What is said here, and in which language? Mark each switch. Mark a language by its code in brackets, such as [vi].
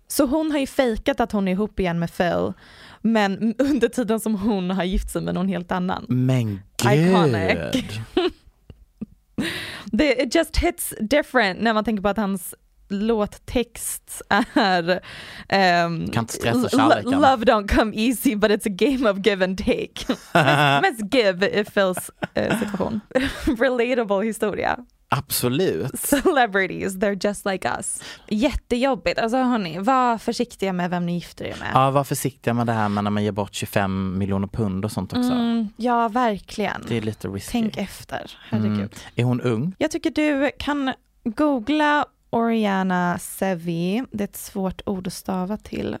[sv] Så hon har ju fejkat att hon är ihop igen med Phil, men under tiden som hon har gift sig med någon helt annan. Men gud! Iconic. [en] It just hits different [sv] när man tänker på att hans låttext är kan inte stressa kärleken. [en] Love don't come easy but it's a game of give and take. Let's give it feels situation. [sv] Relatable historia. Absolut. [en] Celebrities, they're just like us. [sv] Jättejobbigt. Alltså hörni, var försiktiga med vem ni gifter er med. Ja, var försiktiga med det här med när man ger bort 25 miljoner pund och sånt också. Mm, ja, verkligen. Det är lite risky. Tänk efter, herregud. Mm. Är hon ung? Jag tycker du kan googla Oriana Sevi. Det är ett svårt ord att stava till.